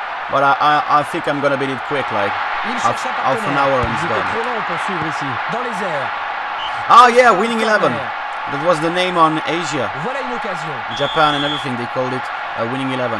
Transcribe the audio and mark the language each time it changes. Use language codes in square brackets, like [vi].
[en] But I think I'm gonna beat it quick, like half an hour and done. [fr] Trop long pour suivre ici, dans les airs. [en] Ah yeah, Winning Eleven. That was the name on Asia. [fr] Voilà une occasion. [en] Japan and everything, they called it a Winning Eleven.